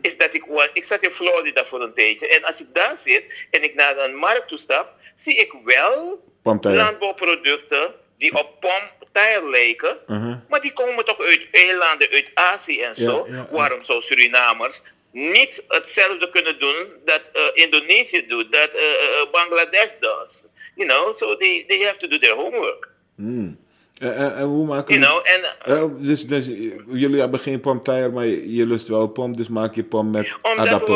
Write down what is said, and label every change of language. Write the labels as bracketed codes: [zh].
[nl] is dat ik zat in Florida voor een tijdje. En als ik daar zit en ik naar een markt toe stap, zie ik wel landbouwproducten die op pomtaier lijken. Uh-huh. Maar die komen toch uit eilanden, uit Azië en zo. Ja. Waarom zou Surinamers niet hetzelfde kunnen doen dat Indonesië doet, dat Bangladesh [en] does? You know, so they have to do their homework. [nl] Mm. En hoe maken [en] we... You know, [nl] dus jullie hebben geen pomtaier, maar je lust wel pom, dus maak je pom met aardappel.